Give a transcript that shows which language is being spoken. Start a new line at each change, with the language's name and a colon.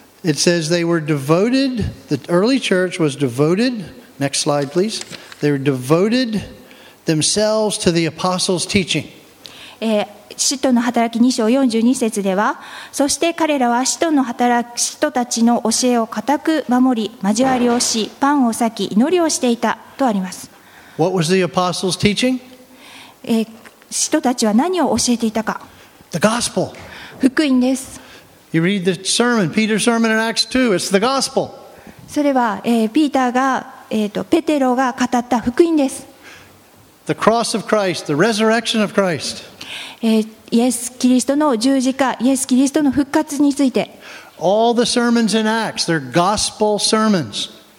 English: It says they were devoted, the early church was devoted, next slide please, they were devoted themselves to the apostles' teaching.
Japanese: 使徒の働き2章42節では、そして彼らは使徒の働き、使徒たちの教えを固く守り、交わりをし、パンを裂き、祈りをしていたとあります。
English: What was the apostles' teaching?
Japanese: 使徒たちは何を教えていたか。
English: The gospel.
Japanese: 福音です。
English: You read the sermon, Peter's sermon in Acts 2. It's the gospel.
Japanese: それは、ピーターが、ペテロが語った福音です。
English: The cross of Christ, the resurrection of Christ.
Japanese: イエス・キリストの十字架、イエス・キリストの復活について。
English: All the sermons in Acts, they're gospel sermons.